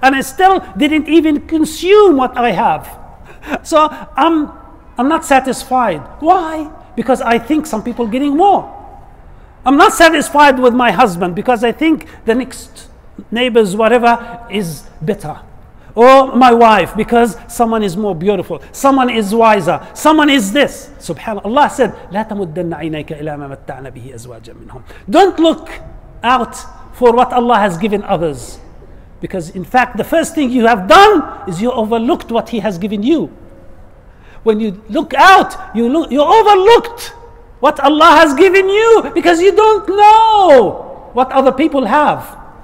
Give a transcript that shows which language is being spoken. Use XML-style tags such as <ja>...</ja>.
<en>And I still didn't even consume what I have. So I'm not satisfied. Why? Because I think some people are getting more. I'm not satisfied with my husband because I think the next neighbor's whatever is better. Or my wife, because someone is more beautiful, someone is wiser, someone is this.</en> <ar>Subhanallah said, لا تمدن عينيك إلى ما متعنا به أزواجا منهم.</ar> <en>Don't look out for what Allah has given others. Because in fact, the first thing you have done is you overlooked what He has given you. When you look out, you overlooked what Allah has given you because you don't know what other people have.</en>